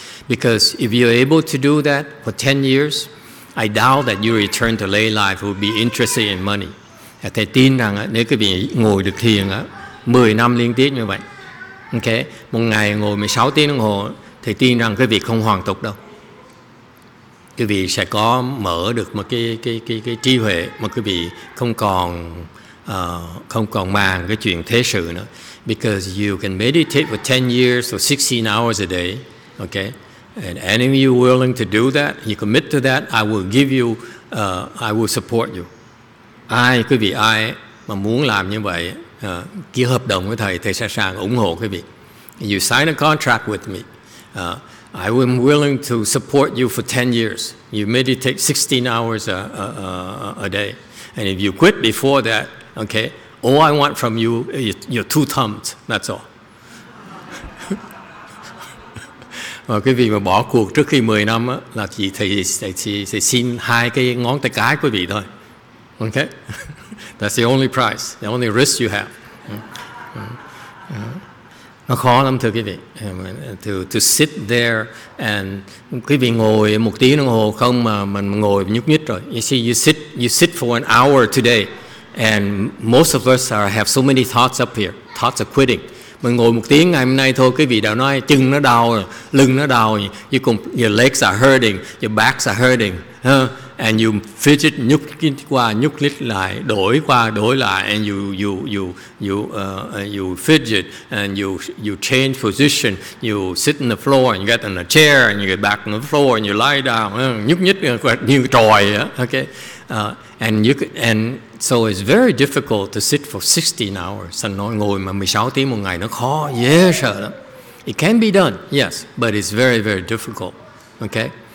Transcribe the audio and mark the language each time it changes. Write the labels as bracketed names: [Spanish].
[English] Because if you're able to do that for 10 years, I doubt that you return to lay life will be interested in money. [Vietnamese] Thầy tin rằng nếu quý vị ngồi được thiền 10 năm liên tiếp như vậy, okay, một ngày ngồi 16 tiếng đồng hồ, thầy tin rằng quý vị không hoàn tục đâu. Quý vị sẽ có mở được một cái trí huệ mà quý vị không còn màng cái chuyện thế sự nữa. [English] Because you can meditate for 10 years or 16 hours a day, okay? And any of you willing to do that, you commit to that, I will give you, I will support you. [Vietnamese] Ai, quý vị ai mà muốn làm như vậy, ký hợp đồng với thầy sẽ sàng ủng hộ quý vị. [English] You sign a contract with me. I am willing to support you for 10 years. You meditate 16 hours a day. And if you quit before that, okay, all I want from you is your two thumbs, that's all. [Vietnamese] Và quý vị mà bỏ cuộc trước khi 10 năm á, là chỉ thầy xin hai cái ngón tay cái quý vị thôi. [English] Okay? That's the only price, the only risk you have. [Vietnamese] Nó khó lắm thưa quý vị. [English] To sit there and [Vietnamese] quý vị ngồi một tiếng đồng hồ không mà mình ngồi nhúc nhích rồi. [English] You see, you sit for an hour today and most of us have so many thoughts up here, thoughts of quitting. [Vietnamese] Mình ngồi một tiếng ngày hôm nay thôi, quý vị đã nói chân nó đau, lưng nó đau, [English] your legs are hurting, [Vietnamese] your backs are hurting. [English] and you fidget, [Vietnamese] nhúc nhích qua, nhúc nhích lại, đổi qua, đổi lại, [English] and you fidget, and you change position, you sit on the floor, and you get on a chair, and you get back on the floor, and you lie down, [Vietnamese] nhúc nhích như tròi, [English] okay? And so it's very difficult to sit for 16 hours. [Vietnamese] Thành nói ngồi mà 16 tiếng một ngày nó khó, dễ sợ lắm. [English] It can be done, yes, but it's very, very difficult, okay?